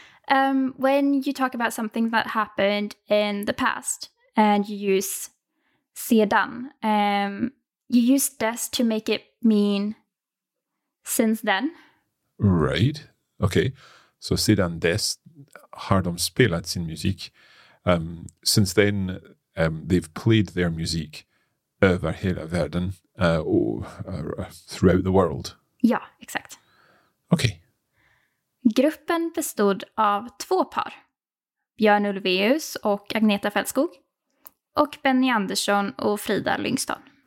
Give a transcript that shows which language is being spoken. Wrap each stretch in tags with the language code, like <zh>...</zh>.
<en>When you talk about something that happened in the past and you use sedan, you use des to make it mean since then. Right. Okay.</en> <sv>So sedan des har de spelat sin musik.</sv> <en>Since then, they've played their music</en> <sv>över hela världen,</sv> <en>throughout the world.</en> <sv>Ja, exakt. Okej. Gruppen bestod av två par. Björn Ulveus och Agneta Fältskog. Och Benny Andersson och Frida Lyngstad.</sv>